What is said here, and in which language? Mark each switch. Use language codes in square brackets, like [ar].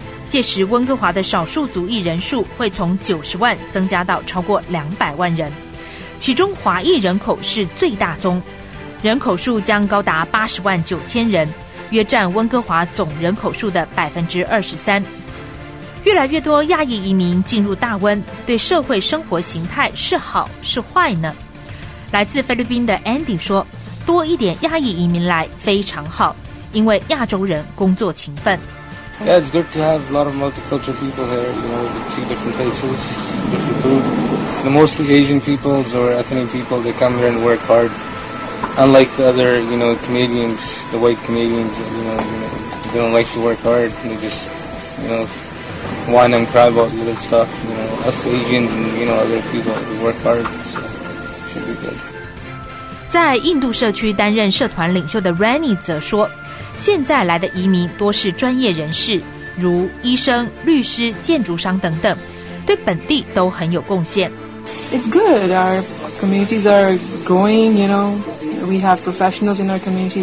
[zh] 届时温哥华的少数族裔人数会从90万增加到超过200万人，其中华裔人口是最大宗，人口数将高达89000人，约占温哥华总人口数的23%。越来越多亚裔移民进入大温，对社会生活形态是好是坏呢？来自菲律宾的 Andy 说，多一点亚裔移民来非常好，因为亚洲人工作勤奋。 [en] Yeah, it's good to have a lot of multicultural people here. You know, you see different places, different food. The mostly Asian peoples or ethnic people, they come here and work hard. Unlike the other, you know, Canadians, the white Canadians, you know, they don't like to work hard. They just, you know, whine and cry about little stuff. You know, us Asians and, you know, other people, we work hard, so it should be good. [zh] 在印度社区担任社团领袖的 Rani 则说，现在来的移民多是专业人士，如医生、律师、建筑商等等，对本地都很有贡献。 [en] It's good. Our communities are growing. You know, we have professionals in our community.